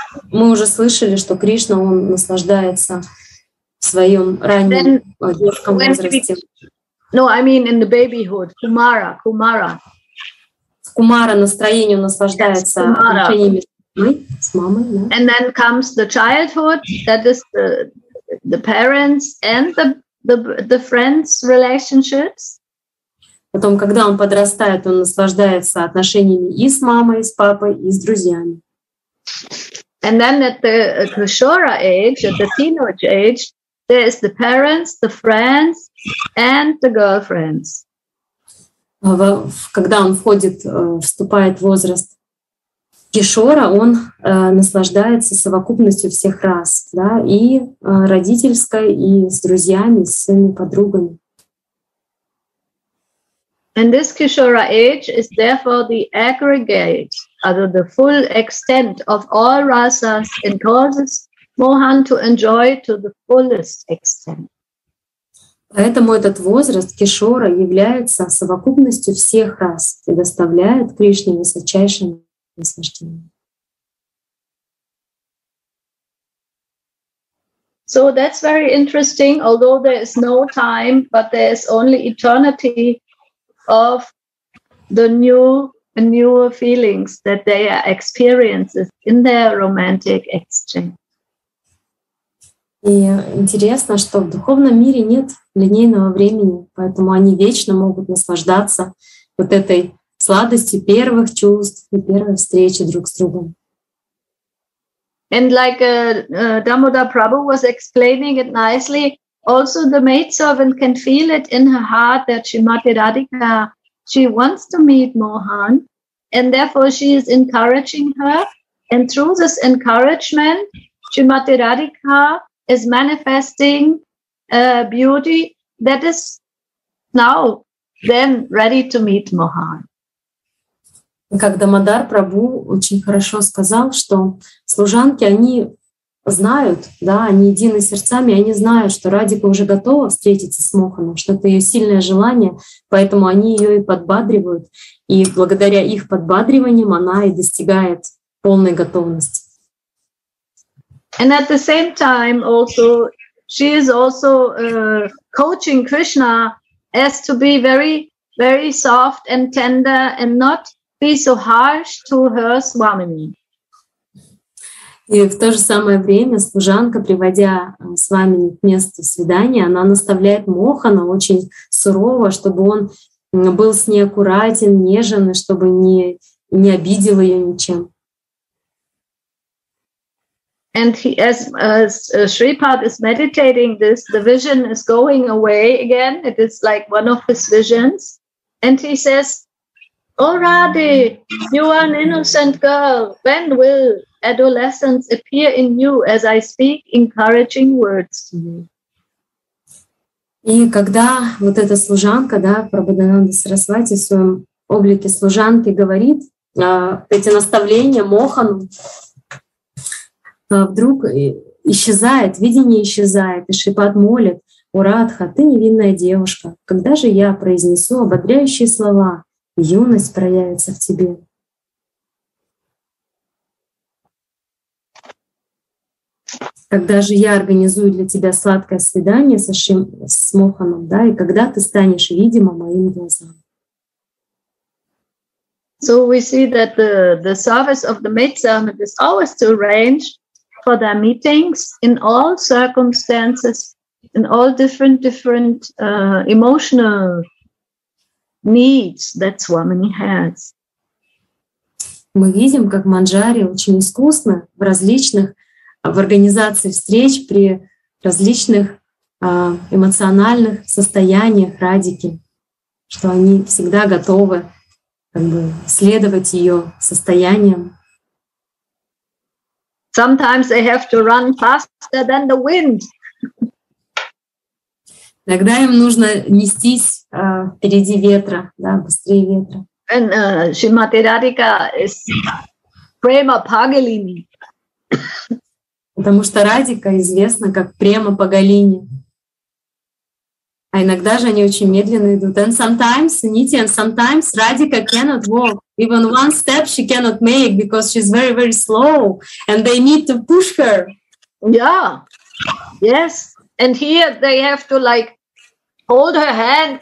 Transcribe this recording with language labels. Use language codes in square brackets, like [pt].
[ru] Мы уже слышали, что Кришна он наслаждается в своем раннем детском возрасте. [en] No, I mean in the babyhood, Kumara. [ru] В Кумара настроение он наслаждается отношениями с мамой. [en] Yeah. And then comes the childhood, that is the parents and the friends relationships. [ru] Потом, когда он подрастает, он наслаждается отношениями и с мамой, и с папой, и с друзьями. [en] And then at the Kishora age, at the teenage age, there is the parents, the friends, and the girlfriends. [ru] Когда он вступает в возраст Кишора, он наслаждается совокупностью всех рас, да, и родительской, и с друзьями, с своими подругами. [en] And this Kishora age is therefore the aggregate, or the full extent of all rasas and causes Mohan to enjoy to the fullest extent. [ru] Поэтому этот возраст Кишора является совокупностью всех рас и доставляет Кришне высочайшее наслаждение. [en] So that's very interesting, although there is no time, but there is only eternity of the newer feelings that they are experiencing in their romantic exchange. [ru] И интересно, что в духовном мире нет линейного времени, поэтому они вечно могут наслаждаться вот этой сладостью первых чувств и первой встречи друг с другом. [en] And like Damodar Prabhu was explaining it nicely, also the maidservant can feel it in her heart that Shrimati Radhika, she wants to meet Mohan, and therefore she is encouraging her, and through this encouragement, Shrimati Radhika is manifesting a beauty that is now then ready to meet Mohan. [ru] Как Дамодар Прабху очень хорошо сказал, что служанки, они знают, да, они едины сердцами, они знают, что Радика уже готова встретиться с Моханом, что это ее сильное желание, поэтому они ее и подбадривают. И благодаря их подбадриваниям она и достигает полной готовности. [en] And at the same time also, she is also coaching Krishna as to be very, very soft and tender and not be so harsh to her Swamini. [ru] И в то же самое время служанка, приводя Свамини к месту свидания, она наставляет Мохана очень сурово, чтобы он был с ней аккуратен, нежен, и чтобы не обидел ее ничем. [en] And he, as Shripad is meditating this, the vision is going away again. It is like one of his visions. And he says, "Oh Radhe, you are an innocent girl. When will adolescence appear in you as I speak encouraging words to you?" [ru] И когда вот эта служанка, да, Прабхудананда Сарасвати в своем облике служанки говорит эти наставления Мохану, вдруг исчезает, видение исчезает, и Шрипад молит: «О Радха, ты невинная девушка, когда же я произнесу ободряющие слова, и юность проявится в тебе?» Когда же я организую для тебя сладкое свидание с Моханом, да, и когда ты станешь видима моим глазам? [en] So we see that the service of the maidservant is always to arrange for their meetings in all circumstances, in all different emotional needs that Swamini has. [ru] Мы видим, как Манджари очень искусно в различных, в организации встреч при различных эмоциональных состояниях Радики, что они всегда готовы как бы следовать ее состояниям. [en] Sometimes they have to run faster than the wind. [ru] Иногда им нужно нестись впереди ветра, да, быстрее ветра. [en] And Shrimati Radhika is Prema Pagalini. [ru] Потому что Радика известна как Prema Pagalini. А иногда же они очень медленно идут. [en] And sometimes, Niti, and sometimes Radhika cannot walk. Even one step she cannot make because she's very, very slow and they need to push her. Yeah. Yes. And here they have to like hold her hand.